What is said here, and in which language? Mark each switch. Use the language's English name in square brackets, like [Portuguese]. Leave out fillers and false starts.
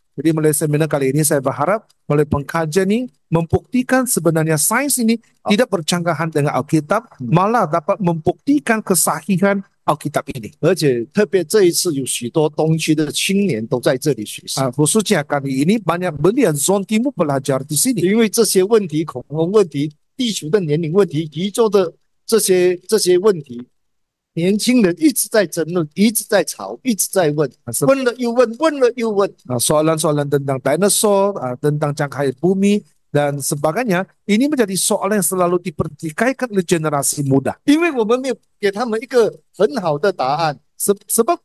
[Malay] Jadi melalui seminar kali ini saya berharap melalui pengkajian ini membuktikan sebenarnya sains ini tidak bercanggahan dengan Alkitab, malah dapat membuktikan kesahihan Alkitab ini. Khususnya kali ini banyak belia zon timur belajar di sini. Karena [Chinese] 年轻人一直在争论，一直在吵，一直在问，问了又问，问了又问。啊， [Malay] soalan-soalan tentang dinosaur, tentang cangkir bumi dan sebagainya, ini menjadi soalan yang selalu dipertikaikan oleh generasi muda. [Chinese] 因为我们没有给他们一个很好的答案。 [Malay] Sebab